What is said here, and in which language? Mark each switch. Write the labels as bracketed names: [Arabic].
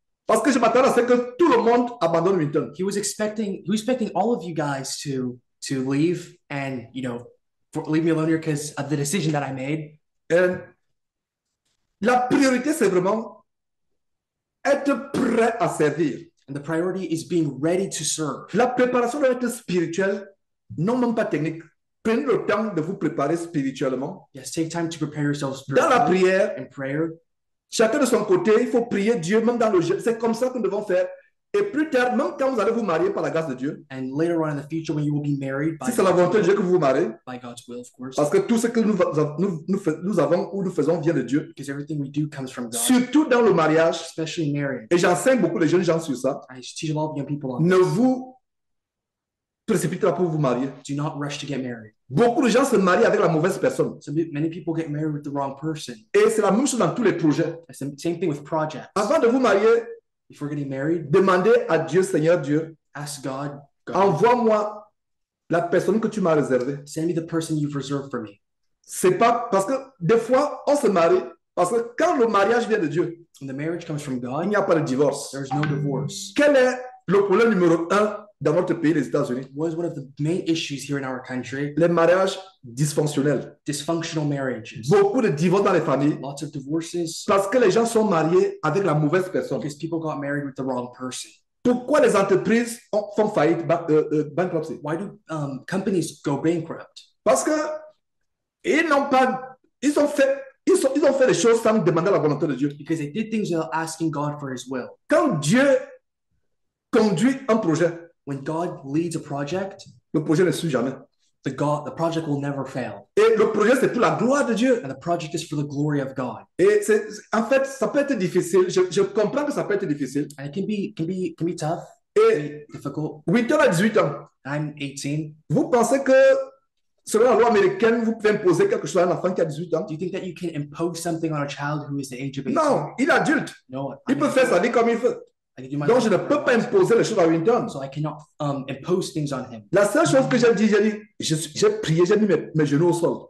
[French] Parce que je m'attendais à ce que tout le monde abandonne Winton. [English] He was expecting all of you guys to leave and, you know, leave me alone here because of the decision that I made. [French] And la priorité, c'est vraiment être prêt à servir. [English] And the priority is being ready to serve. [French] La préparation doit être spirituelle, non même pas technique. Prenez le temps de vous préparer spirituellement. [English] Yes, take time to prepare yourself spiritually. [French] Dans la prière. [English] In prayer. [French] Chacun de son côté, il faut prier Dieu, même dans le jeu. C'est comme ça que nous devons faire. Et plus tard, même quand vous allez vous marier par la grâce de Dieu, [English] and later on in the future, when you will be married by [French] si c'est la volonté de Dieu que vous vous mariez, [English] by God's will, of course. [French] Parce que tout ce que nous avons ou nous faisons vient de Dieu. [English] Because everything we do comes from God. [French] Surtout dans le mariage. [English] Especially marriage. [French] Et j'enseigne beaucoup les jeunes gens sur ça. [English] I teach a lot of young people on [French] this. Ne vous précipitez pas pour vous marier. [English] Do not rush to get married. [French] Beaucoup de gens se marient avec la mauvaise personne. [English] So many people get married with the wrong person. [French] Et c'est la même chose dans tous les projets. [English] It's the same thing with projects. [French] Avant de vous marier, [English] before getting married, [French] demandez à Dieu, Seigneur Dieu, [English] ask God, God, [French] envoie-moi la personne que tu m'as réservée. [English] Send me the person you've reserved for me. [French] C'est pas parce que des fois on se marie parce que quand le mariage vient de Dieu, [English] when the marriage comes from God, [French] il n'y a pas de divorce. [English] There's no divorce. [French] Quel est le problème numéro un dans notre pays, les États-Unis? [English] Was one of the main issues here in our country. [French] Les mariages dysfonctionnels. [English] Dysfunctional marriages. [French] Beaucoup de divorces dans les familles. [English] Lots of divorces. [French] Parce que les gens sont mariés avec la mauvaise personne. [English] Because people got married with the wrong person. [French] Pourquoi les entreprises font faillite, bankruptcy? [English] Why do companies go bankrupt? [French] Parce que ils n'ont pas, ils ont fait les choses sans demander la volonté de Dieu. [English] Because they did things without asking God for His will. [French] Quand Dieu conduit un projet. [English] When God leads a project, [French] le projet ne suit jamais. [English] The project will never fail. [French] Et le projet, c'est pour la gloire de Dieu. [English] And the project is for the glory of God. [French] Et c'est, en fait, ça peut être difficile. Je comprends que ça peut être difficile. [English] And it can be tough. [French] Et [English] difficult. [French] Winton a 18 ans. [English] I'm 18. [French] Vous pensez que selon la loi américaine, vous pouvez imposer quelque chose à un enfant qui a 18 ans? [English] Do you think that you can impose something on a child who is the age of 18? [French] Non, il est adulte. [English] No, [French] il I'm peut faire sa vie comme il veut. Donc, je ne peux pas imposer les choses à Winton. [English] So I cannot impose things on him. [French] La seule chose que j'ai dit, j'ai prié, j'ai mis mes genoux au sol.